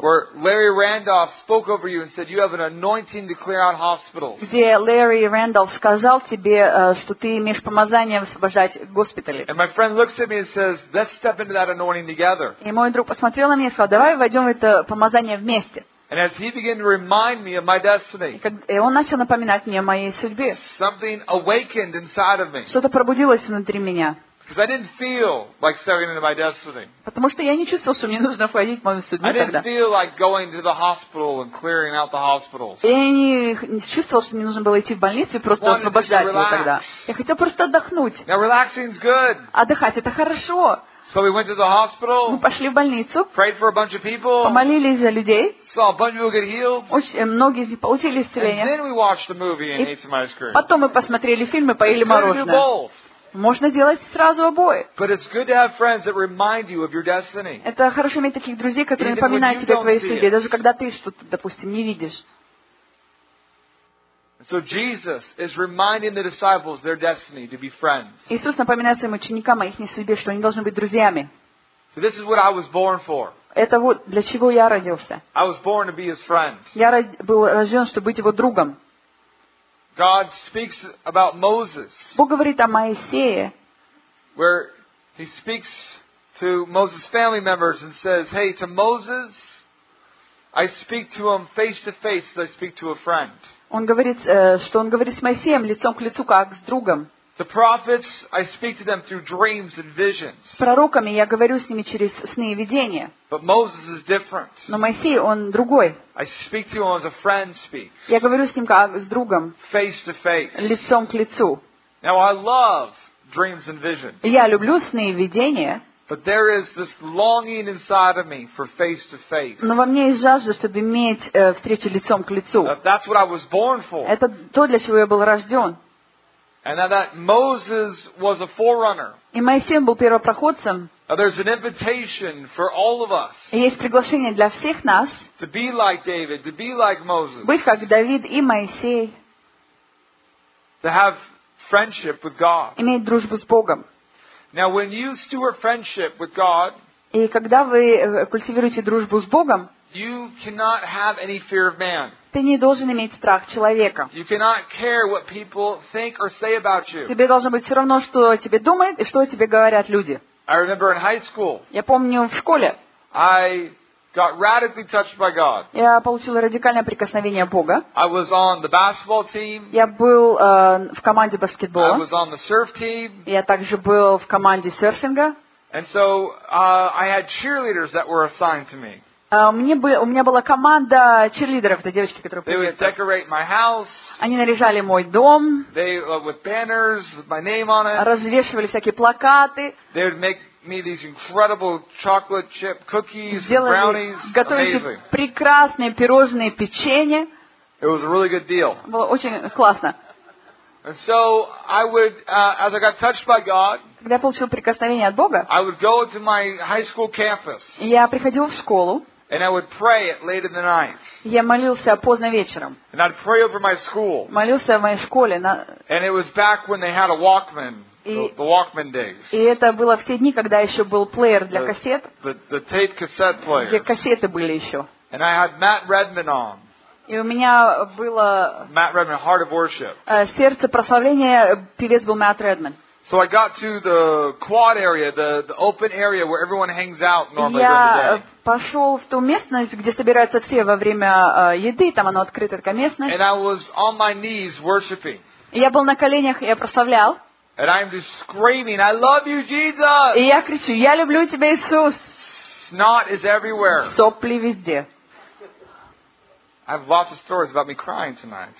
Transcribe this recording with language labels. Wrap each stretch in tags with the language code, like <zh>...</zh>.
<en>Where Larry Randolph spoke over you and said, "You have an anointing to clear out hospitals."</en> <ru>Где Ларри Рэндольф сказал тебе, что ты имеешь помазание освобождать госпитали?</ru> <en>And my friend looks at me and says, "Let's step into that anointing together."</en> <ru>И мой друг посмотрел на меня и сказал: "Давай войдем в это помазание вместе."</ru> <en>And as he began to remind me of my destiny,</en> <ru>и он начал напоминать мне о моей судьбе,</ru> <en>something awakened inside of me.</en> <ru>Что-то пробудилось внутри меня.</ru> <en>Because I didn't feel like stepping into my destiny.</en> <ru>Потому что я не чувствовал, что мне нужно входить в мою судьбу тогда.</ru> <en>I didn't feel like going to the hospital and clearing out the hospitals.</en> <ru>Я не чувствовал, что мне нужно было идти в больницу и просто освобождать его тогда. Я хотел просто отдохнуть.</ru> <en>Now relaxing is good.</en> <ru>Отдыхать это хорошо.</ru> <en>So we went to the hospital.</en> <ru>Мы пошли в больницу.</ru> <en>Prayed for a bunch of people.</en> <ru>Помолились за людей.</ru> <en>Saw a bunch of people get healed.</en> <ru>Многие из них получили исцеление.</ru> <en>And then we watched a movie and ate some ice cream.</en> <ru>Потом мы посмотрели фильм и поели мороженое. Можно делать сразу обои.</ru> <en>But it's good to have friends that remind you of your destiny.</en> <ru>Это хорошо иметь таких друзей, которые напоминают тебе о твоей судьбе, даже когда ты что-то, допустим, не видишь.</ru> <en>So Jesus is reminding the disciples their destiny to be friends.</en> <ru>Иисус напоминает своим ученикам о их судьбе, что они должны быть друзьями.</ru> <en>So this is what I was born for.</en> <ru>Это вот для чего я родился.</ru> <en>I was born to be his friend.</en> <ru>Я был рожден, чтобы быть его другом.</ru> <en>God speaks about Moses.</en> <ru>Бог говорит о Моисее.</ru> <en>Where he speaks to Moses' family members and says, "Hey, to Moses, I speak to him face to face as I speak to a friend."</en> <ru>Он говорит, что он говорит с Моисеем лицом к лицу, как с другом.</ru> <en>The prophets, I speak to them through dreams and visions.</en> <ru>С пророками я говорю с ними через сны и видения.</ru> <en>But Moses is different.</en> <ru>Но Моисей, он другой.</ru> <en>I speak to him as a friend speaks.</en> <ru>Я говорю с ним как с другом.</ru> <en>Face to face.</en> <ru>Лицом к лицу.</ru> <en>Now I love dreams and visions.</en> <ru>Я люблю сны и видения.</ru> <en>But there is this longing inside of me for face to face.</en> <ru>Но во мне есть жажда, чтобы иметь встречу лицом к лицу.</ru> <en>That's what I was born for.</en> <ru>Это то, для чего я был рожден.</ru> <en>And that Moses was a forerunner.</en> <ru>И Моисей был первопроходцем.</ru> <en>There's an invitation for all of us.</en> <ru>Есть приглашение для всех нас.</ru> <en>To be like David, to be like Moses.</en> <ru>Быть как Давид и Моисей.</ru> <en>To have friendship with God.</en> <ru>Иметь дружбу с Богом.</ru> <en>Now, when you steward friendship with God,</en> <ru>и когда вы культивируете дружбу с Богом,</ru> <en>you cannot have any fear of man.</en> <ru>Ты не должен иметь страх человека.</ru> <en>You cannot care what people think or say about you.</en> <ru>Тебе должно быть все равно, что о тебе думают и что о тебе говорят люди.</ru> <en>I remember in high school.</en> <ru>Я помню в школе.</ru> <en>I got radically touched by God.</en> <ru>Я получил радикальное прикосновение Бога.</ru> <en>I was on the basketball team.</en> <ru>Я был в команде баскетбола.</ru> <en>I was on the surf team.</en> <ru>Я также был в команде серфинга.</ru> <en>And so I had cheerleaders that were assigned to me.</en> <ru>У меня была команда cheerleaders, это девочки, которые приехали.</ru> <en>They would decorate my house.</en> <ru>Они наряжали мой дом.</ru> <en>They with banners with my name on it.</en> <ru>Развешивали всякие плакаты.</ru> <en>They would make me these incredible chocolate chip cookies and brownies.</en> <ru>Готовили прекрасные пирожные, печенье.</ru> <en>It was a really good deal.</en> <ru>Было очень классно.</ru> <en>And so I would, as I got touched by God,</en> <ru>когда я получил прикосновение от Бога,</ru> <en>I would go to my high school campus.</en> <ru>Я приходил в школу.</ru> <en>And I would pray it late in the night.</en> <ru>Я молился поздно вечером.</ru> <en>And I'd pray over my school.</en> <ru>Молился в моей школе.</ru> <en>And it was back when they had a Walkman. The Walkman days.</en> <ru>И это было в те дни, когда еще был плеер для кассет.</ru> <en>The tape cassette player.</en> <ru>Где кассеты были еще.</ru> <en>And I had Matt Redman on.</en> <ru>И у меня было</ru> <en>Matt Redman, Heart of Worship.</en> <ru>Сердце прославления, певец был Matt Redman.</ru> <en>So I got to the quad area, the open area where everyone hangs out normally during the day.</en> <ru>Я пошел в ту местность, где собираются все во время еды, там оно открыто, такая местность.</ru> <en>And I was on my knees worshiping.</en> <ru>Я был на коленях, я прославлял.</ru> <en>And I'm just screaming, I love you, Jesus!</en> <ru>И я кричу, я люблю тебя, Иисус!</ru> <en>Snot is everywhere.</en> <ru>Сопли везде.</ru> <en>I have lots of stories about me crying tonight.</en>